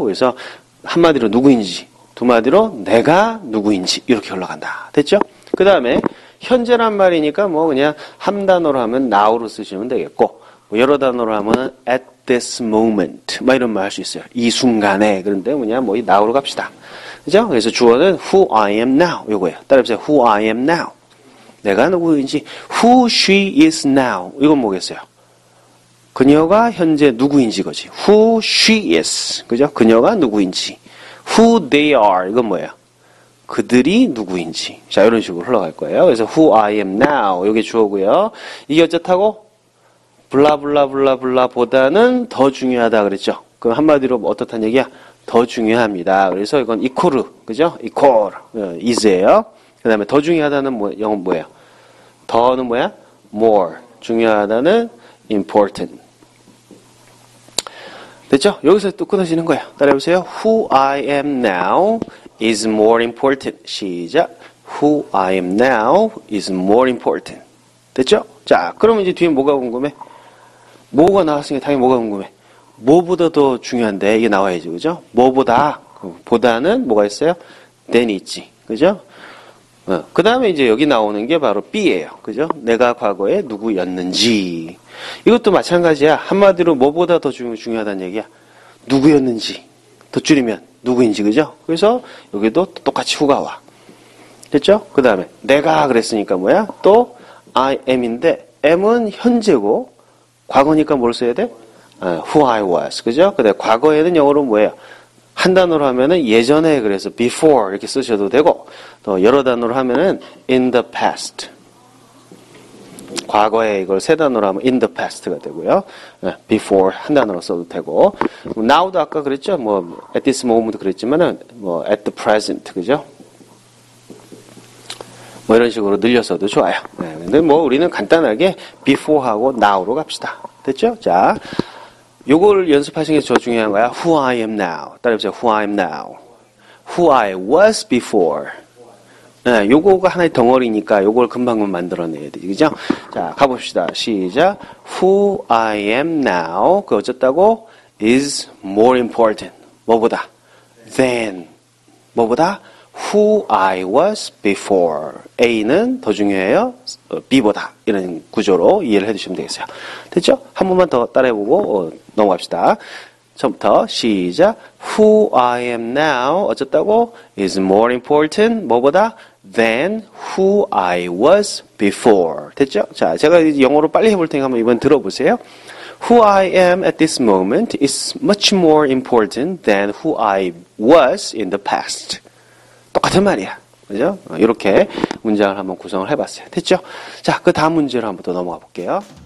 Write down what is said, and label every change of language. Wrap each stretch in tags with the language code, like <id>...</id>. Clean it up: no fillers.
<ko>그래서 한마디로 누구인지, 두마디로 내가 누구인지 이렇게 흘러간다. 됐죠? 그 다음에 현재란 말이니까 뭐 그냥 한 단어로 하면 now로 쓰시면 되겠고, 뭐 여러 단어로 하면</ko> <en>at this moment</en> <ko>막 이런 말 할 수 있어요. 이 순간에. 그런데 뭐냐, 뭐 이 now로 갑시다. 그죠? 그래서 주어는</ko> <en>who I am now</en> <ko>이거예요. 따라해보세요.</ko> <en>who I am now.</en> <ko>내가 누구인지.</ko> <en>who she is now.</en> <ko>이건 뭐겠어요? 그녀가 현재 누구인지 거지.</ko> <en>Who she is.</en> <ko>그죠? 그녀가 누구인지.</ko> <en>Who they are.</en> <ko>이건 뭐예요? 그들이 누구인지. 자, 이런 식으로 흘러갈 거예요. 그래서</ko> <en>who I am now.</en> <ko>요게 주어고요. 이게 어쨌다고? 블라블라블라블라 보다는 더 중요하다 그랬죠? 그럼 한마디로 뭐 어떻단 얘기야? 더 중요합니다. 그래서 이건 equal. 그죠? equal. is예요. 그 다음에 더 중요하다는 뭐, 영어 뭐예요? 더는 뭐야?</ko> <en>more.</en> <ko>중요하다는</ko> <en>important.</en> <ko>됐죠? 여기서 또 끊어지는 거야. 따라해보세요.</ko> <en>Who I am now is more important.</en> <ko>시작.</ko> <en>Who I am now is more important.</en> <ko>됐죠? 자, 그러면 이제 뒤에 뭐가 궁금해? 뭐가 나왔으니까 당연히 뭐가 궁금해? 뭐보다 더 중요한데? 이게 나와야지, 그죠? 뭐보다, 보다는 뭐가 있어요? then 있지. 그죠? 그 다음에 이제 여기 나오는 게 바로 B예요. 그죠? 내가 과거에 누구였는지. 이것도 마찬가지야. 한마디로 뭐보다 더 중요하단 얘기야. 누구였는지. 더 줄이면 누구인지, 그죠? 그래서 여기도 똑같이 후가 와. 됐죠? 그 다음에 내가 그랬으니까 뭐야? 또 I am인데 am은 현재고 과거니까 뭘 써야 돼?</ko> <en>Who I was.</en> <ko>그죠? 근데 과거에는 영어로 뭐예요? 한 단어로 하면은 예전에, 그래서 before 이렇게 쓰셔도 되고, 또 여러 단어로 하면은</ko> <en>in the past.</en> <ko>과거에 이걸 세 단어로 하면</ko> <en>in the past</en> <ko>가 되고요. Before 한 단어로 써도 되고. Now도 아까 그랬죠?</ko> <en>뭐, at this moment</en> <ko>그랬지만은,</ko> <en>뭐, at the present.</en> <ko>그죠? 뭐 이런 식으로 늘려서도 좋아요. 근데 뭐 우리는 간단하게 before하고 now로 갑시다. 됐죠? 자, 요걸 연습하시는 게저 중요한 거야.</ko> <en>Who I am now.</en> <ko>따라해보세요.</ko> <en>Who I am now. Who I was before.</en> <ko>네, 요거가 하나의 덩어리니까 요걸 금방금방 만들어내야 되지. 그죠? 자, 가봅시다. 시작.</ko> <en>Who I am now.</en> <ko>그 어쨌다고?</ko> <en>is more important.</en> <ko>뭐보다?</ko> <en>than. 뭐보다? Who I was before.</en> <ko>A는 더 중요해요. B보다. 이런 구조로 이해를 해주시면 되겠어요. 됐죠? 한 번만 더 따라해보고 넘어갑시다. 처음부터 시작.</ko> <en>Who I am now.</en> <ko>어쨌다고?</ko> <en>is more important.</en> <ko>뭐보다?</ko> <en>than who I was before. 됐죠?</en> <ko>자, 제가 영어로 빨리 해볼 테니까 한번 이번 들어보세요.</ko> <en>Who I am at this moment is much more important than who I was in the past.</en> <ko>똑같은 말이야. 그죠? 이렇게 문장을 한번 구성을 해봤어요. 됐죠? 자, 그 다음 문제로 한번 더 넘어가 볼게요.</ko>